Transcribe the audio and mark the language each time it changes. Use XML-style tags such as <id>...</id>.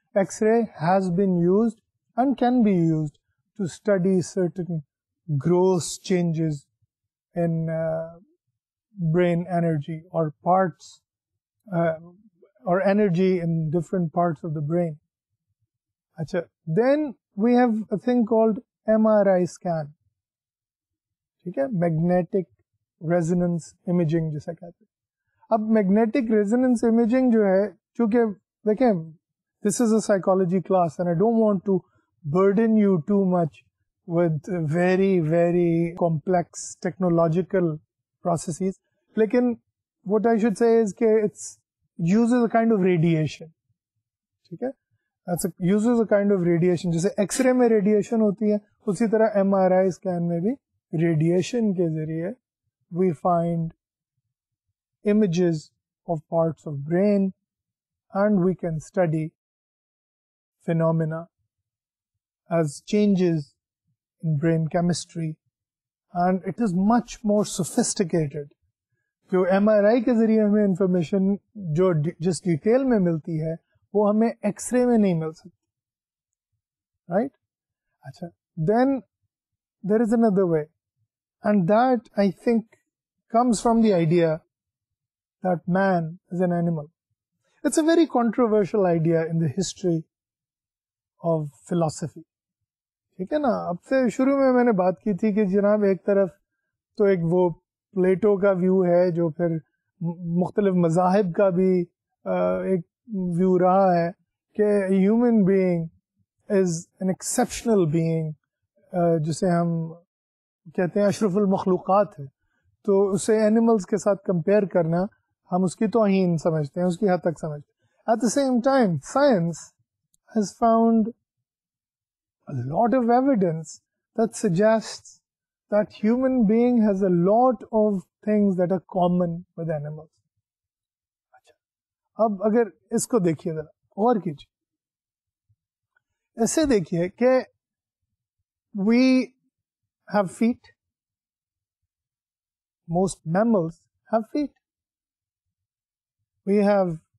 <en>X-ray has been used and can be used to study certain gross changes in brain energy or parts or energy in different parts of the brain. Acha, then we have a thing called MRI scan.</en> <ur>Magnetic ریزونینس imaging جسے کہتے ہیں.</ur> <en>اب magnetic resonance imaging</en> <ur>جو ہے, چونکہ دیکھیں</ur> <en>this is a psychology class and I don't want to burden you too much with very very complex technological processes,</en> <ur>لیکن</ur> <en>what I should say is</en> <ur>کہ</ur> <en>It's uses a kind of radiation.</en> <ur>ٹھیک ہے,</ur> <en>Uses a kind of radiation.</en> <ur>جیسے X ray میں radiation ہوتی ہے, اسی طرح ایم آر آئی اسکین میں بھی</ur> <en>radiation</en> <ur>ke zariye</ur> <en>we find images of parts of brain and we can study phenomena as changes in brain chemistry and it is much more sophisticated.</en> <ur>جو M R آئی کے ذریعے ہمیں information جو جس detail میں ملتی ہے وہ ہمیں ایکس رے میں نہیں مل سکتی,</ur> <en>Right.</en> <ur>اچھا,</ur> <en>Then there is another way, and that I think comes from the idea that man is an animal. It's a very controversial idea in the history of philosophy,</en> <ur>ٹھیک ہے نا. اب سے شروع میں میں نے بات کی تھی کہ جناب ایک طرف تو ایک وہ پلیٹو کا ویو ہے جو پھر مختلف مذاہب کا بھی ایک ویو رہا ہے کہ</ur> <en>human being is an exceptional being,</en> <ur>جسے ہم کہتے ہیں اشرف المخلوقات ہے, تو اسے اینیملس کے ساتھ کمپیئر کرنا ہم اس کی توہین سمجھتے ہیں, اس کی حد تک سمجھتے ہیں.</ur> <en>At the same time science has found a lot of evidence that suggests that human being has a lot of things that are common with animals.</en> <ur>Acha, ab agar isko dekhiye zara aur kijiye, aise dekhiye ke</ur> <en>we have feet, most mammals have feet, we have</en>